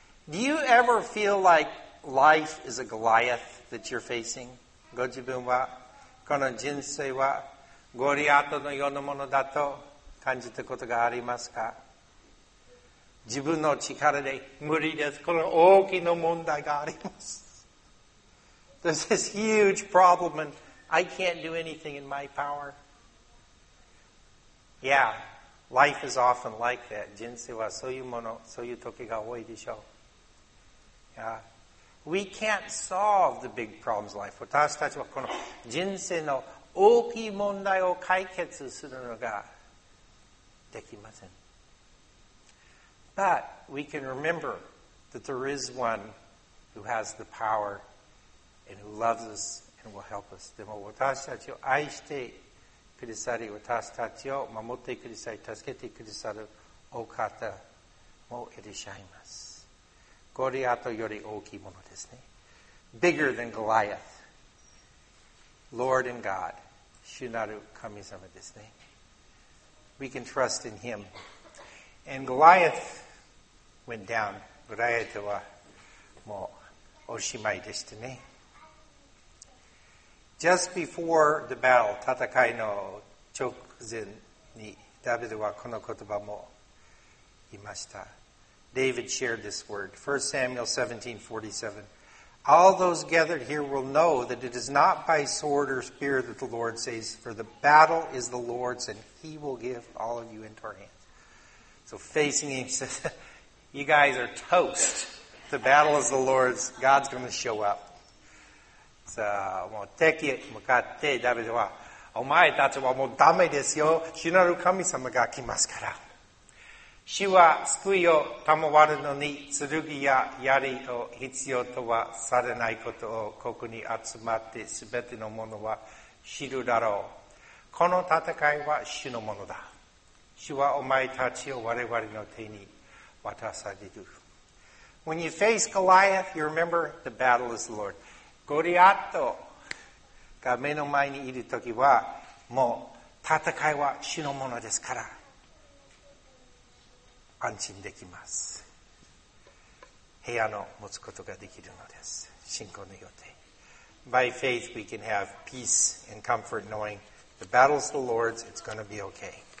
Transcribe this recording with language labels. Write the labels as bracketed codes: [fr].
[en] Do you ever feel like life is a Goliath that you're facing? [ja] ご自分はこの人生はゴリアトのようなものだと感じたことがありますか？自分の力で無理です。この大きな問題があります。 [en] There's this huge problem and I can't do anything in my power. Yeah, life is often like that. [ja] 人生はそういうもの、そういう時が多いでしょう。 [en] Yeah. We can't solve the big problems of life. [ja] 私たちはこの人生の大きい問題を解決するのができません。 [en] But we can remember that there is one who has the power and who loves us and will help us. [ja] でも私たちを愛して私たちを守ってくださり助けてくださるお方もいらっしゃいます。ゴリアトより大きいものですね。 [en] Bigger than Goliath. Lord and God. [ja] 主なる神様ですね。 [en] We can trust in Him. And Goliath went down. [ja] ゴリアトはもうおしまいでしたね。 [en] Just before the battle, [ja] 戦いの直前にダビデはこの言葉も言いました。 [en] David shared this word. 1 Samuel 17:47. All those gathered here will know that it is not by sword or spear that the Lord saves, for the battle is the Lord's and He will give all of you into our hands. So facing him, he says, you guys are toast. The battle is the Lord's. God's going to show up. [ja] さあもう敵に向かってダビデはお前たちはもうダメですよ主なる神様が来ますから主は救いを賜るのに剣や槍を必要とはされないことをここに集まってすべてのものは知るだろうこの戦いは主のものだ主はお前たちを我々の手に渡される。 [en] When you face Goliath, you remember the battle is the Lord. [ja] ゴリアットが目の前にいるときは、もう戦いは主のものですから、安心できます。平安を持つことができるのです。信仰の予定。 [en] By faith, we can have peace and comfort knowing the battle's the Lord's, it's going to be okay.